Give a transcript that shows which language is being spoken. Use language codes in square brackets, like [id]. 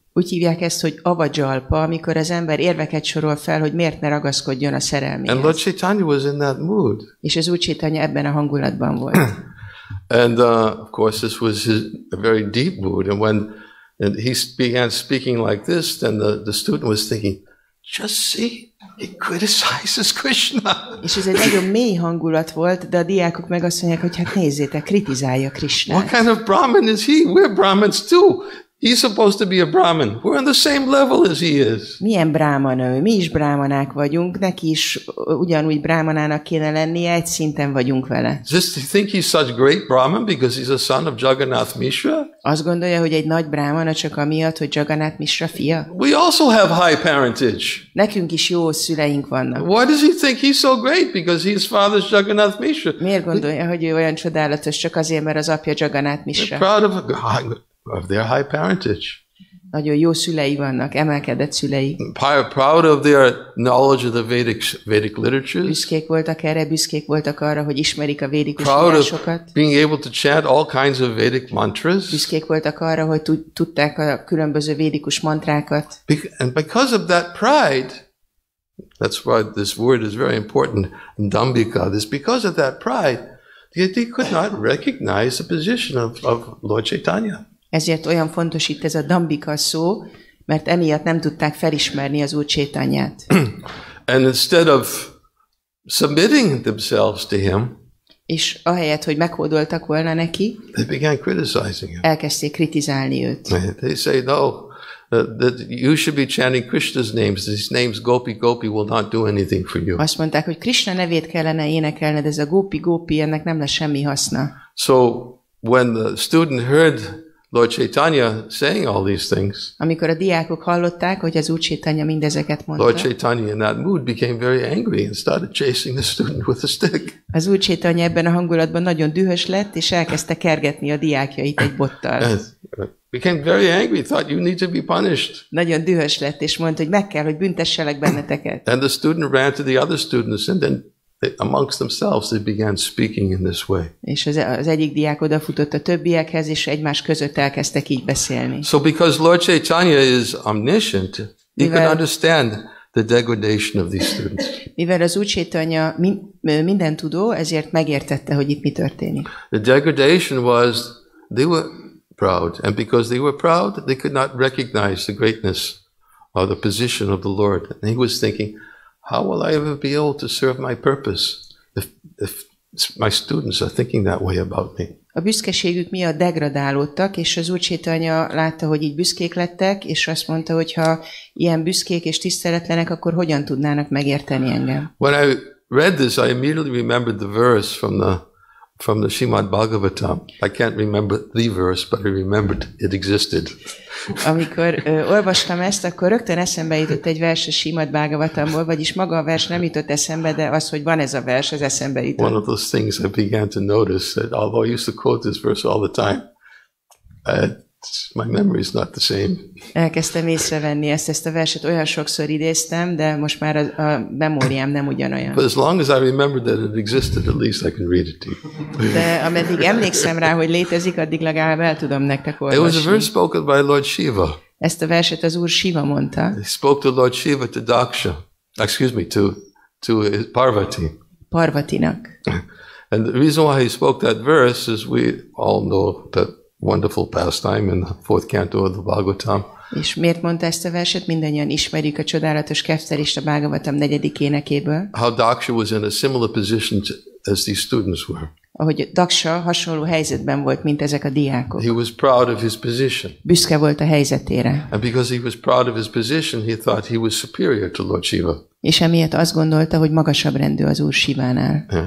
[hu] Úgy hívják ezt, hogy avajalpa, amikor az ember érveket sorol fel, hogy miért ne ragaszkodjon a szerelméhez. [en] And Lord Caitanya was in that mood. [hu] És az Úr Caitanya ebben a hangulatban volt. [en] And of course this was a very deep mood, and when and he began speaking like this, then the student was thinking, just see, he criticizes Krishna. [hu] És ez egy nagyon mély hangulat volt, de a diákok meg azt mondják, hogy hát nézzétek, kritizálja Krishnát. [en] What kind of Brahmin is he? We're Brahmins too. He's supposed to be a Brahmin. We're on the same level as he is. [hu] Milyen Brahman ő? Mi is Brahmanák vagyunk, neki is ugyanúgy Brahmanának kéne lennie, egy szinten vagyunk vele. [en] Just think he's such great Brahman because he's a son of Jagannath Mishra? [hu] Azt gondolja, hogy egy nagy Brahman, csak amiatt, hogy Jagannath Mishra fia? [en] We also have high parentage. [hu] Nekünk is jó szüleink vannak. [en] Why does he think he's so great because his father's Jagannath Mishra? [hu] Miért gondolja, hogy ő olyan csodálatos, csak azért, mert az apja Jagannath Mishra? [en] Proud of a God. Of their high parentage. [hu] Nagyon jó szülei vannak, emelkedett szülei. [en] Proud of their knowledge of the Vedic literature. [hu] Büszkék voltak erre, büszkék voltak arra, hogy ismerik a védikus írásokat. [en] Being able to chant all kinds of Vedic mantras. [hu] Büszkék voltak arra, hogy tudták a különböző védikus mantrákat. [en] And because of that pride, that's why this word is very important, Dambika, is because of that pride, they could not recognize the position of Lord Caitanya. [hu] Ezért olyan fontos itt ez a dambika szó, mert emiatt nem tudták felismerni az Úr Caitanyát. [en] And instead of submitting themselves to him, [hu] és ahelyett, hogy meghódoltak volna neki, [en] they began criticizing him. [hu] Elkezdték kritizálni őt. [en] They say, no, that you should be chanting Krishna's names. These names, Gopi Gopi, will not do anything for you. [hu] Azt mondták, hogy Krishna nevét kellene énekelned, ez a Gopi Gopi, ennek nem lesz semmi haszna. [en] So when the student heard Lord Caitanya saying all these things. [hu] Amikor a diákok hallották, hogy az Úr Caitanya mindezeket mondta. [en] Lord Caitanya in that mood became very angry and started chasing the student with a stick. [hu] Az Úr Caitanya ebben a hangulatban nagyon dühös lett, és elkezdte kergetni a diákjait egy bottal. [en] Became very angry, thought you need to be punished. [hu] Nagyon dühös lett, és mondta, hogy meg kell, hogy büntesselek benneteket. [en] And the student ran to the other students and then they, amongst themselves, they began speaking in this way. [hu] És az egyik diák odafutott a többiekhez, és egymás között elkezdtek így beszélni. [en] So because Lord Caitanya is omniscient, he can understand the degradation of these students. [hu] Mivel az Úr Caitanya minden tudó, ezért megértette, hogy itt mi történik. [en] The degradation was they were proud, and because they were proud, they could not recognize the greatness or the position of the Lord. And he was thinking, how will I ever be able to serve my purpose if my students are thinking that way about me? [hu] A büszkeségük miatt degradálódtak, és az Úr Caitanya látta, hogy így büszkék lettek, és azt mondta, hogy ha ilyen büszkék és tiszteletlenek, akkor hogyan tudnának megérteni engem? [en] When I read this, I immediately remembered the verse from the Srimad Bhagavatam. I can't remember the verse, but I remembered it existed. [hu] Amikor olvastam ezt, akkor rögtön eszembe jutott egy vers a Srimad Bhagavatamból, vagyis maga a vers nem jutott eszembe, de az, hogy van ez a vers, az eszembe jutott. [en] One of those things I began to notice, that although I used to quote this verse all the time, my memory is not the same. [hu] Elkezdtem észrevenni ezt a verset, olyan sokszor idéztem, de most már a memóriám nem ugyanolyan. [en] But as long as I remember that it existed, at least I can read it to you. [hu] De ameddig emlékszem rá, hogy létezik, addig legalább el tudom nektek olvasni. [en] It was a verse spoken by Lord Shiva. [hu] Ezt a verset az Úr Shiva mondta. [en] He spoke to Lord Shiva, to Daksha. Excuse me, to Parvati. [hu] Parvatinak. [en] And the reason why he spoke that verse is we all know that wonderful pastime in the fourth canto of the Bhagavatam. [hu] És miért mondta ezt a verset? Mindannyian ismerjük a csodálatos keftelést a Bhagavatam negyedik énekéből. [en] How Daksha was in a similar position as these students were. [hu] Ahogy Daksha hasonló helyzetben volt, mint ezek a diákok. [en] He was proud of his position. [hu] Büszke volt a helyzetére. [en] And because he was proud of his position, he thought he was superior to Lord Shiva. [hu] És emiatt azt gondolta, hogy magasabb rendű az Úr Shivánál.